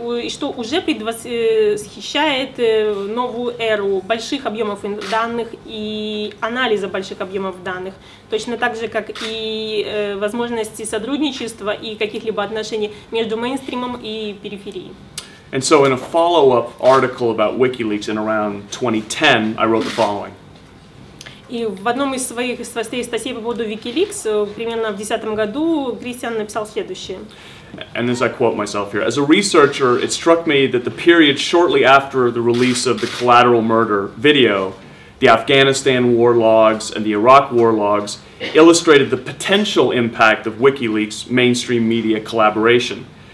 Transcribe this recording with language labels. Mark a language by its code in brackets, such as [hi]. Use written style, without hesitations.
[ru] что уже предвосхищает новую эру больших объемов данных и анализа больших объемов данных, точно так же, как и возможности сотрудничества и каких-либо отношений между мейнстримом и периферией. [en] And so in a follow-up article about WikiLeaks in around 2010, I wrote the following. [ru] И в одном из своих статей по поводу WikiLeaks, примерно в 2010 году, Кристиан написал следующее. [en] And as I quote myself here, as a researcher, it struck me that the period shortly after the release of the collateral murder video the Afghanistan war logs and the Iraq war logs illustrated the potential impact of WikiLeaks' mainstream media collaboration.